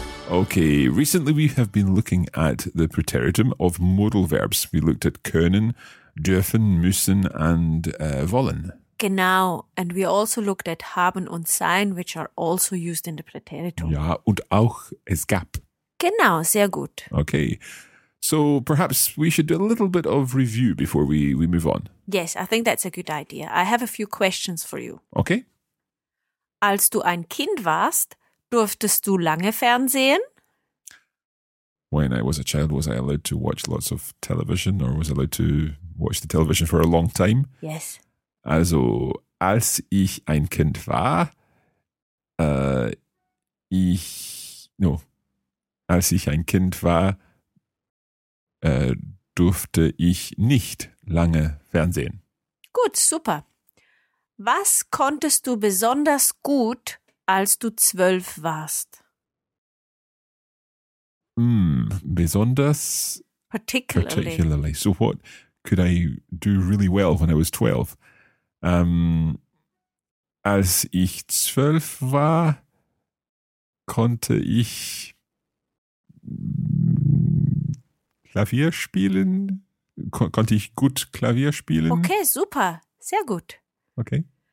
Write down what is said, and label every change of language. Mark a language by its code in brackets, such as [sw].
[en] Okay, recently we have been looking at the preteritum of modal verbs. We looked at können, dürfen, müssen and wollen. Genau, and we also looked at haben und sein, which are also used in the preteritum. [de] Ja, und auch es gab. Genau, sehr gut. [en] Okay, so perhaps we should do a little bit of review before we move on. Yes, I think that's a good idea. I have a few questions for you. Okay. [de] Als du ein Kind warst, durftest du lange fernsehen? [en] When I was a child, was I allowed to watch lots of television or was I allowed to watch the television for a long time? Yes. [de] Also, als ich ein Kind war, als ich ein Kind war, durfte ich nicht lange fernsehen. Gut, super. Was konntest du besonders gut, als du 12 warst? Besonders. [en] Particularly. So what could I do really well when I was 12? [de] Als ich 12 war, konnte ich Klavier spielen. Konnte ich gut Klavier spielen? Okay, super. Sehr gut. Okay.